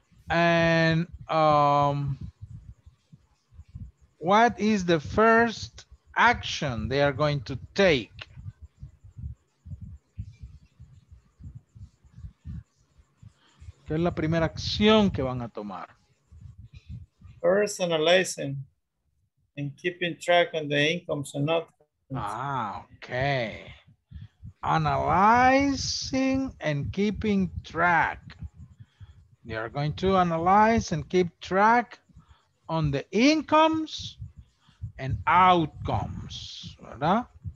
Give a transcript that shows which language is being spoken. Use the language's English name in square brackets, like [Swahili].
[English] And what is the first action they are going to take? [Spanish] ¿Qué es la primera acción que van a tomar? [English] Personalizing and keeping track of the incomes and not. Okay. Analyzing and keeping track. They are going to analyze and keep track on the incomes and outcomes, [Spanish] ¿verdad?